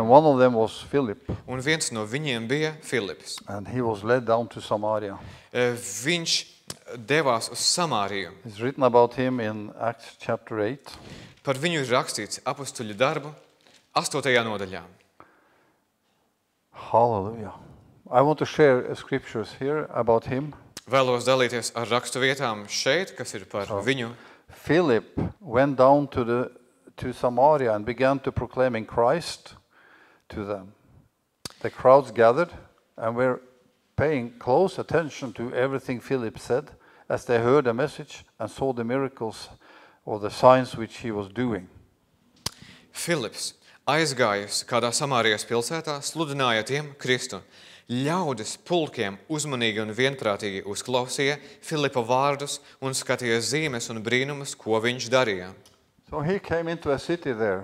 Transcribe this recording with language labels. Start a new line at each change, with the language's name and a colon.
English: And one of them was Philip.
Latvian: Un viens no viņiem bija Filips.
English: And he was led down to Samaria.
Latvian: Viņš devās uz Samāriju.
English: It's written about him in Acts chapter 8.
Latvian: Par viņu ir rakstīts apostuļu darbu 8. Nodaļā.
English: Hallelujah. I want to share scriptures here about him.
Latvian: Vēlos dalīties ar rakstuvietām šeit, kas ir par so, viņu.
English: Philip went down to Samaria and began to proclaim Christ to them. The crowds gathered and were paying close attention to everything Philip said as they heard the message and saw the miracles or the signs which he was doing.
Latvian: Philips aizgājis kādā Samārijas pilsētā, sludināja tiem Kristu. Ļaudis pulkiem uzmanīgi un vienprātīgi uzklausīja Filipa vārdus un skatīja zīmes un brīnumus, ko viņš darīja.
English: So he came into a city there.